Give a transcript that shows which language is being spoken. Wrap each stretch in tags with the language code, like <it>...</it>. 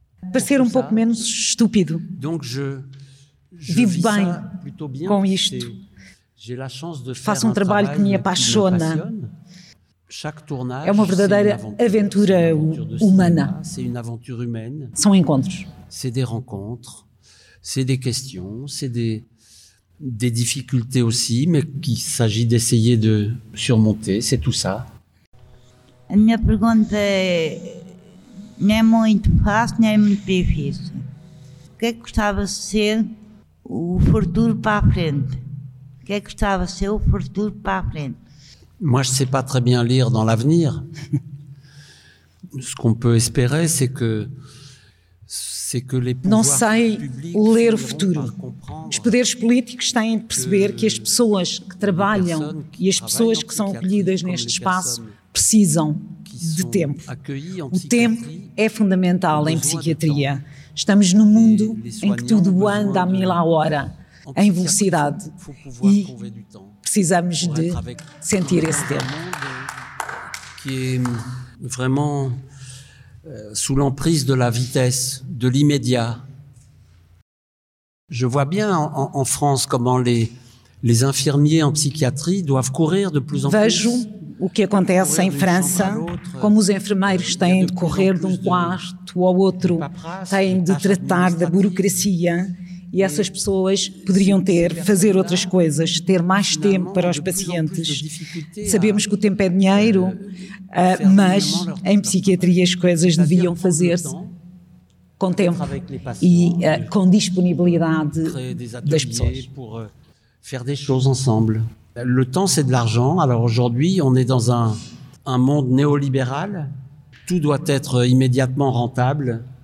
<pt>para ser um pouco menos estúpido.</pt> <fr>Donc</fr> <pt>vivo bem com isto.</pt> <fr>J'ai la chance de</fr> <pt>faço um trabalho que me apaixona. É uma verdadeira aventura humana.</pt> <fr>C'est une aventure humaine.</fr> <pt>São encontros.</pt> <fr>C'est des rencontres. C'est des questions. C'est des difficultés aussi, mais qu'il s'agit d'essayer de surmonter. C'est tout ça.</fr> <pt>A minha pergunta é: não é muito fácil, nem é muito difícil. O que é que gostava de ser o futuro para a frente? O que é que gostava de ser o futuro para a frente?</pt> <fr>Moi, je ne sais pas très bien lire dans l'avenir. Ce qu'on peut espérer, c'est que les pouvoirs publics...</fr> <pt>Não sei ler o futuro. Os poderes políticos têm de perceber que as pessoas que trabalham e as pessoas que são acolhidas neste espaço precisam de tempo. O tempo é fundamental em psiquiatria. Estamos num mundo em que tudo anda a mil à hora, em velocidade. E precisamos de sentir esse tempo.</pt> <fr>Que é vraiment sous l'emprise de la vitesse, de l'immédiat. Je vois bien en France comment les infirmiers en psychiatrie doivent courir de plus en plus.</fr> <pt>Vejo o que acontece em França, como os enfermeiros têm de correr de um quarto ao outro, têm de tratar da burocracia. E essas pessoas poderiam fazer outras coisas, ter mais tempo para os pacientes. Sabemos que o tempo é dinheiro, mas em psiquiatria as coisas deviam fazer-se com tempo e com disponibilidade das pessoas.</pt> <fr>Faire des choses ensemble. Le temps c'est de l'argent. Alors aujourd'hui, on est dans un monde néolibéral. Tout doit être immédiatement rentable.</fr>